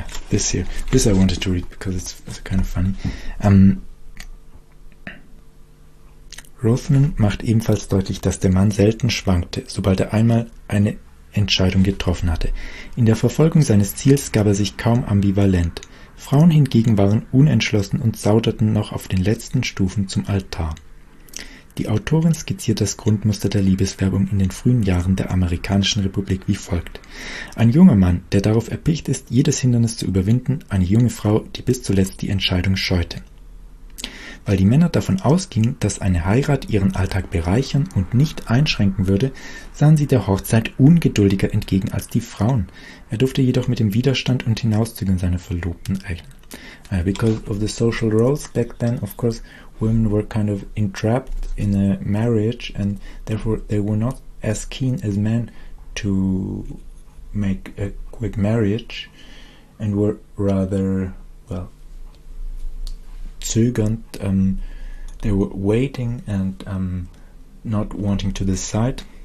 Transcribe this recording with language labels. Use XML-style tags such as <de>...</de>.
<en>this here. This I wanted to read because it's kind of funny.</en> <de>Rothman macht ebenfalls deutlich, dass der Mann selten schwankte, sobald er einmal eine Entscheidung getroffen hatte. In der Verfolgung seines Ziels gab er sich kaum ambivalent. Frauen hingegen waren unentschlossen und zauderten noch auf den letzten Stufen zum Altar. Die Autorin skizziert das Grundmuster der Liebeswerbung in den frühen Jahren der amerikanischen Republik wie folgt. Ein junger Mann, der darauf erpicht ist, jedes Hindernis zu überwinden, eine junge Frau, die bis zuletzt die Entscheidung scheute. Weil die Männer davon ausgingen, dass eine Heirat ihren Alltag bereichern und nicht einschränken würde, sahen sie der Hochzeit ungeduldiger entgegen als die Frauen. Er durfte jedoch mit dem Widerstand und Hinauszügen seiner Verlobten rechnen.</de> <en>Because of the social roles back then, of course, women were kind of entrapped in a marriage and therefore they were not as keen as men to make a quick marriage and were rather, well,</en> <de>zögernd,</de> <en>they were waiting and not wanting to decide.</en>